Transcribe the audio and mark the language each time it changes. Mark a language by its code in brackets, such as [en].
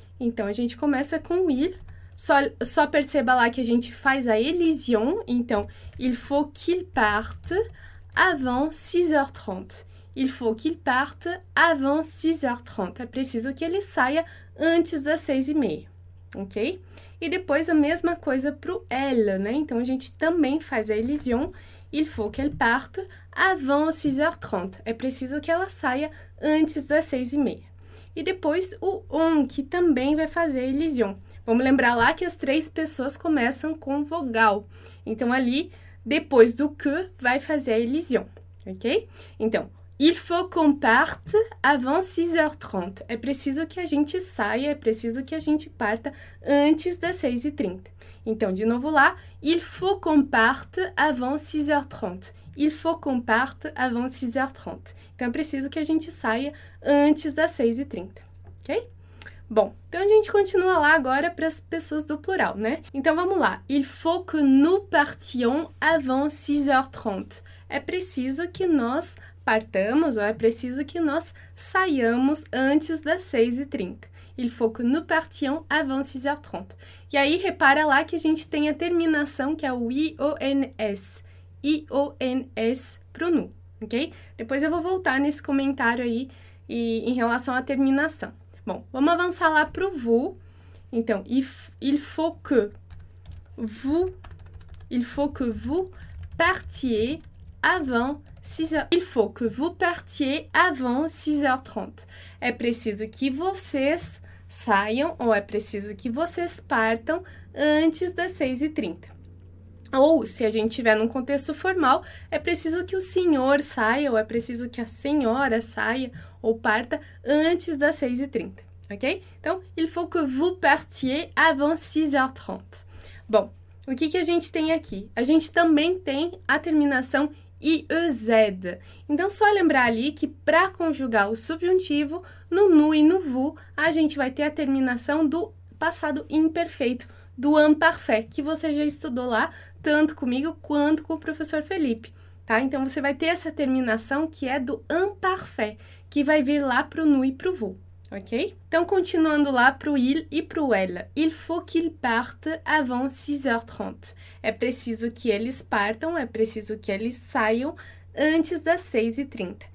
[pt] Então a gente começa com il, só perceba lá que a gente faz a elision, então [fr] il faut qu'il parte avant 6h30. Il faut qu'il parte avant 6h30. [pt] É preciso que ele saia antes das 6h30. Ok? E depois a mesma coisa para o elle, né? Então a gente também faz a elision. [fr] Il faut qu'elle parte avant 6h30. [pt] É preciso que ela saia antes das 6h30. E depois o on, que também vai fazer a elision. Vamos lembrar lá que as três pessoas começam com vogal. Então ali, depois do que, vai fazer a elision. Ok? [fr] Então, il faut qu'on parte avant 6h30. [pt] É preciso que a gente saia, é preciso que a gente parta antes das 6h30. Então, de novo lá, [fr] il faut qu'on parte avant 6h30. Il faut qu'on parte avant 6h30. [pt] Então, é preciso que a gente saia antes das 6h30, ok? Bom, então a gente continua lá agora para as pessoas do plural, né? Então vamos lá. [fr] Il faut que nous partions avant 6h30. [pt] É preciso que nós partamos ou é preciso que nós saiamos antes das 6h30. [fr] Il faut que nous partions avant 6h30. [pt] E aí, repara lá que a gente tem a terminação que é o ions. Ions pro nous, ok? Depois eu vou voltar nesse comentário aí e em relação à terminação. Bom, vamos avançar lá para o vous. [fr] Então, il faut que vous partiez avant 6h. Il faut que vous partiez avant 6h30. [pt] É preciso que vocês saiam ou é preciso que vocês partam antes das 6h30. Ou, se a gente tiver num contexto formal, é preciso que o senhor saia ou é preciso que a senhora saia ou parta antes das 6h30. Ok? [fr] Então, il faut que vous partiez avant 6h30. [pt] Bom, o que que a gente tem aqui? A gente também tem a terminação IEZ. Então, só lembrar ali que para conjugar o subjuntivo, no nu e no vous, a gente vai ter a terminação do passado imperfeito, do imparfait, que você já estudou lá, tanto comigo quanto com o professor Felipe, tá? Então, você vai ter essa terminação que é do imparfait, que vai vir lá pro nous e pro vous, ok? Então, continuando lá pro il e pro elle. [fr] Il faut qu'ils partent avant 6h30. [pt] É preciso que eles partam, é preciso que eles saiam antes das 6h30.